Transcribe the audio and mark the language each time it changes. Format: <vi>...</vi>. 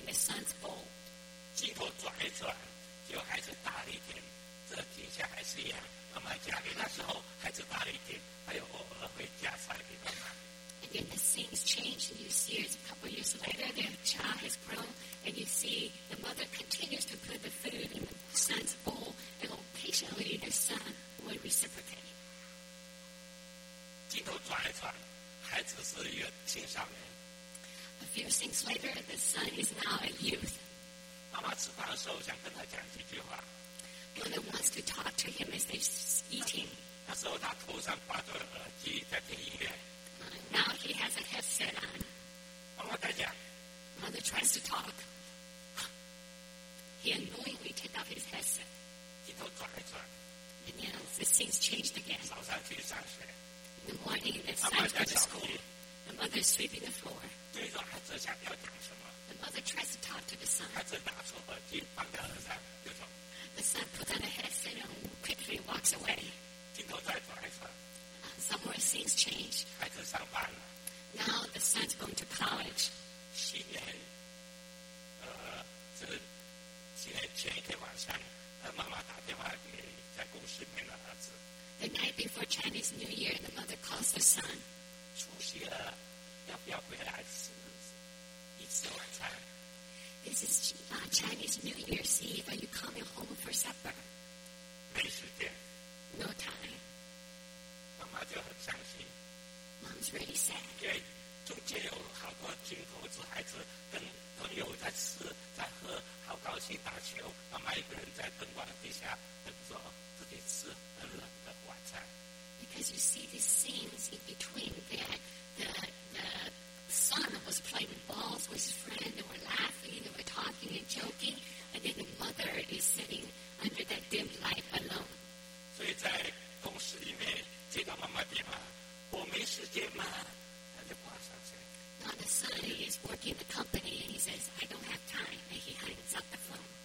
<zh>孩子玩，结果孩子大了一点，这停下还是一样，妈妈家里那时候孩子大了一点，还有我回家才给妈妈。</zh> <en>And then the scenes change, and you see it's a couple years later, their child has grown, and you see the mother continues to put the food in the son's bowl, and all patiently the son would reciprocate.</en> <zh>镜头转一转，孩子是一个青少年。</zh> <en>A few scenes later, the son is now a youth.</en> <zh>妈妈吃饭的时候想跟他讲几句话。</zh> <en>Mother wants to talk to him as they're eating.</en> <zh>那时候他头上挂着耳机在听音乐。</zh> <en>Now he has a headset on.</en> <zh>妈妈在讲。</zh> <en>Mother tries to talk. He annoyingly takes off his headset.</en> <zh>镜头转一转。</zh> <en>And then the scenes changed again.</en> <zh>早上去上学。</zh> <en>In the morning, the son goes to school. The mother is sweeping the floor.</en> <zh>对着孩子想要讲什么。</zh> <en>The mother tries to talk to the son.</en> <zh>孩子拿出耳机放在耳上，就说。</zh> <en>The son puts on a headset and quickly walks away.</en> <zh>镜头再转一转。</zh> <en>Some more scenes change.</en> <zh>孩子上班了。</zh> <en>Now the son's going to college.</en> <zh>新年，是新年前一天晚上，妈妈打电话给在公司里面的儿子。</zh> <en>The night before Chinese New Year, the mother calls the son.</en> <zh>除夕了，要不要回来吃一次晚餐？</zh> <en>This is Chinese New Year's Eve. Are you coming home for supper?</en> <zh>没时间。</zh> <en>No time.</en> <zh>妈妈就很伤心。</zh> <en>Mom's really sad.</en> <zh>因为中间有好多镜头，是孩子跟朋友在吃、在喝，好高兴打球。妈妈一个人在灯光底下等着自己吃很冷的晚餐。</zh> <en>Because you see the scenes in between that the son was playing balls with his friend, they were laughing, they were talking and joking, and then the mother is sitting under that dim light alone.</en> <zh>所以在公司里面。接到妈妈电话，我没时间嘛，他就挂上去。</zh> <en>Now the son is working the company, and he says, "I don't have time," and he hangs up the phone.</en>